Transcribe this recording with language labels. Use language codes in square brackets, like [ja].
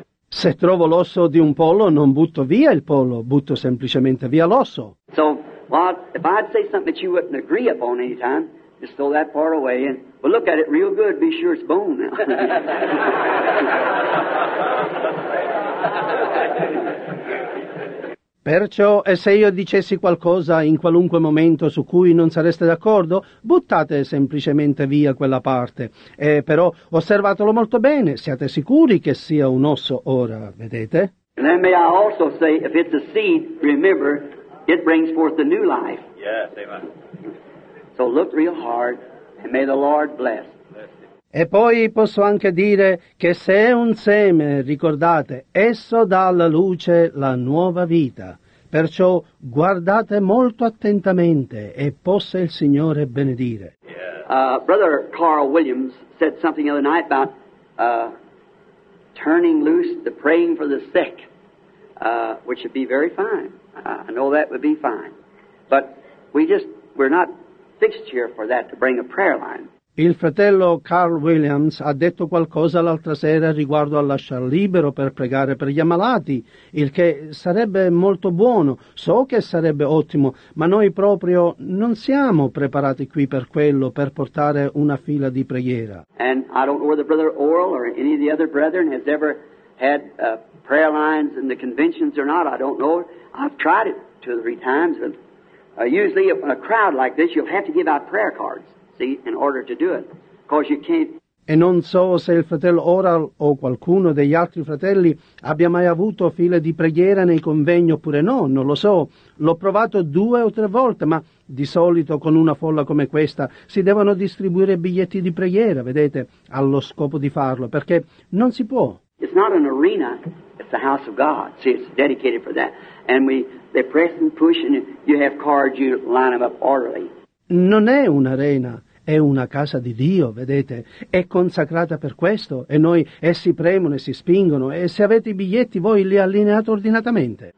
[it] Se trovo l'osso di un pollo, non butto via il pollo, butto semplicemente via l'osso. [en] So, well, if I'd say something that you wouldn't agree upon any time, just throw that part away and well, look at it real good, be sure it's bone now. [it] Perciò, e se io dicessi qualcosa in qualunque momento su cui non sareste d'accordo, buttate semplicemente via quella parte. Però, osservatelo molto bene, siate sicuri che sia un osso ora, vedete? [en] And then may I also say, if it's a seed, remember, it brings forth a new life. Yes, amen. So look real hard, and may the Lord bless. [it] E poi posso anche dire che se è un seme, ricordate, esso dà alla luce la nuova vita. Perciò guardate molto attentamente e possa il Signore benedire. [en] Brother Carl Williams said something the other night about turning loose the praying for the sick, which would be very fine. I know that would be fine. But we're not fixed here for that to bring a prayer line. [it] Il fratello Carl Williams ha detto qualcosa l'altra sera riguardo a lasciar libero per pregare per gli ammalati, il che sarebbe molto buono, so che sarebbe ottimo, ma noi proprio non siamo preparati qui per quello, per portare una fila di preghiera. [en] And I don't know whether Brother Oral or any of the other brethren has ever had prayer lines in the conventions or not, I don't know. I've tried it two or three times, but usually in a crowd like this you'll have to give out prayer cards. In order to do it, because you can't. [it] E non so se il fratello Oral o qualcuno degli altri fratelli abbia mai avuto file di preghiera nei convegni oppure no, non lo so. L'ho provato due o tre volte, ma di solito con una folla come questa si devono distribuire biglietti di preghiera, vedete, allo scopo di farlo, perché non si può. [en] It's not an arena, it's the house of God. See, it's dedicated for that. And they press and push, and you have cards, you line them up orderly. [it] Non è un'arena, è una casa di Dio, vedete? È consacrata per questo, e noi, essi premono e si spingono, e se avete i biglietti, voi li allineate ordinatamente.